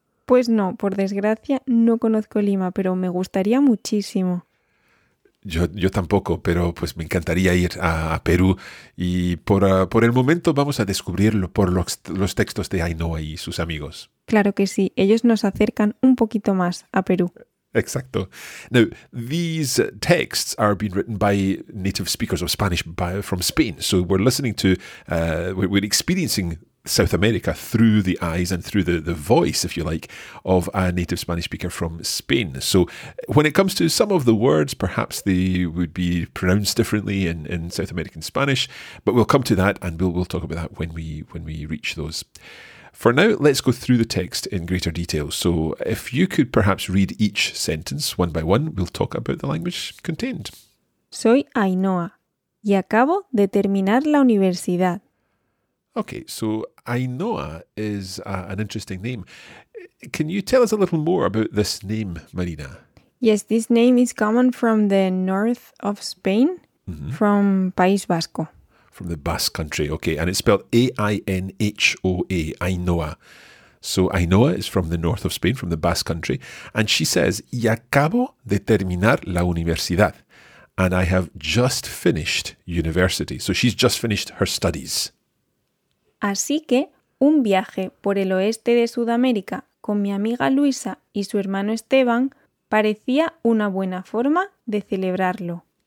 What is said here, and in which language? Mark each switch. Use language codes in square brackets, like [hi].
[es] Pues no, por desgracia, no conozco Lima, pero me gustaría muchísimo. Yo tampoco, pero pues me encantaría ir a Perú. Y por el momento vamos a descubrirlo por los textos de Ainhoa y sus amigos. Claro que sí. Ellos nos acercan un poquito más a Perú. Exacto. [en] Now, these texts are being written by native speakers of Spanish from Spain. So we're listening to, we're experiencing South America through the eyes and through the voice, if you like, of a native Spanish speaker from Spain. So when it comes to some of the words, perhaps they would be pronounced differently in South American Spanish, but we'll come to that and we'll talk about that when we reach those. For now, let's go through the text in greater detail. So if you could perhaps read each sentence one by one, we'll talk about the language contained. [es] Soy Ainhoa y acabo de terminar la universidad. [en] Okay, so Ainhoa is an interesting name. Can you tell us a little more about this name, Marina? Yes, this name is common from the north of Spain, from País Vasco. From the Basque country, okay. And it's spelled A-I-N-H-O-A, Ainhoa. So Ainhoa is from the north of Spain, from the Basque country. And she says, [es] y acabo de terminar la universidad. [en] And I have just finished university. So she's just finished her studies. [es] Así que un viaje por el oeste de Sudamérica con mi amiga Luisa y su hermano Esteban parecía una buena forma de celebrarlo.